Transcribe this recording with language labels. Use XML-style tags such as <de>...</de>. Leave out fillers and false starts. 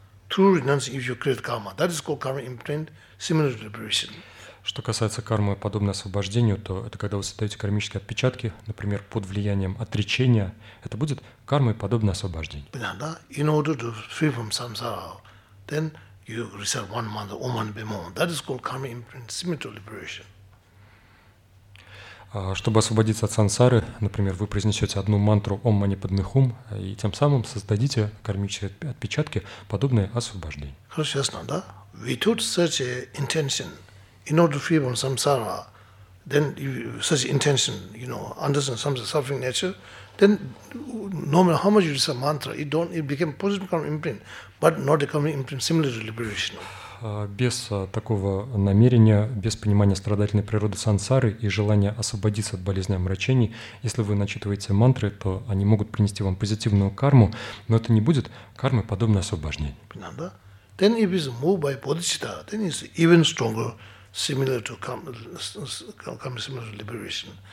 <en>Through renunciation, if you create karma, that is called karma imprint, similar liberation.</en> <ru>Что касается кармы, подобной освобождению, то это когда вы создаете кармические отпечатки, например, под влиянием отречения, это будет кармой, подобной освобождению. Понятно, да?</ru> <en>In order to free from samsara, then you receive one mantra, Om Mani Padme Hum. That is called karma imprint, similar to liberation.</en> <ru>Чтобы освободиться от сансары, например, вы произнесете одну мантру «Ом мани падме хум», и тем самым создадите кармические отпечатки, подобные освобождению. Хорошо, ясно, да?</ru> <en>We took such an intention in order to free from samsara, then such intention, you know, understand some suffering nature, then no matter how much you use a mantra, it became positive karma imprint, but not a karma imprint similar to liberation.</en> <ru>Без такого намерения, без понимания страдательной природы сансары и желания освободиться от болезней омрачений, если вы начитываете мантры, то они могут принести вам позитивную карму, но это не будет кармой подобной освобождения. Да?</ru> <en>Then if it's moved by bodhicitta, then it's even stronger, similar to karma, similar to liberation.</en>